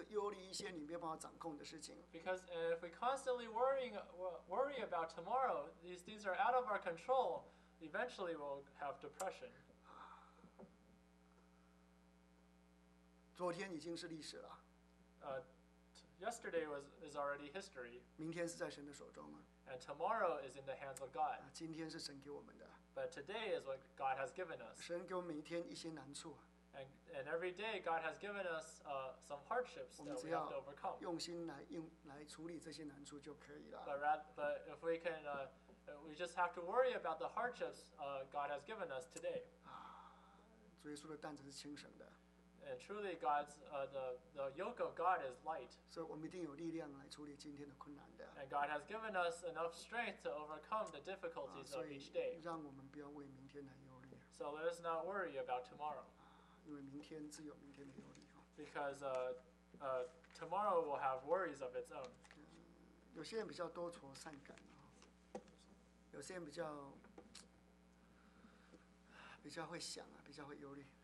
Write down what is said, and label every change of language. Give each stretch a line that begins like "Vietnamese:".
Chinese: 真的会进入很多的忧郁症，因为你是忧虑一些你没有办法掌控的事情。
English: Because if we constantly worry about tomorrow, these things are out of our control. Eventually, we'll have depression.
Chinese: 昨天已经是历史了。
English: Yesterday is already history.
Chinese: 明天是在神的手中吗？
English: And tomorrow is in the hands of God.
Chinese: 今天是神给我们的。
English: But today is what God has given us.
Chinese: 神给我们每天一些难处。
English: And every day God has given us some hardships that we have to overcome.
Chinese: 我们只要用心来处理这些难处就可以了。
English: But if we can, we just have to worry about the hardships God has given us today.
Chinese: 主耶稣的担子是轻省的。
English: And truly, God's the yoke of God is light. So
Chinese: 我们一定有力量来处理今天的困难的。
English: And God has given us enough strength to overcome the difficulties of each day.
Chinese: 所以让我们不要为明天来忧虑。
English: So let us not worry about tomorrow.
Chinese: 因为明天自有明天的忧虑。
English: Because tomorrow will have worries of its own.
Chinese: 有些人比较多愁善感，有些人比较会想啊，比较会忧虑。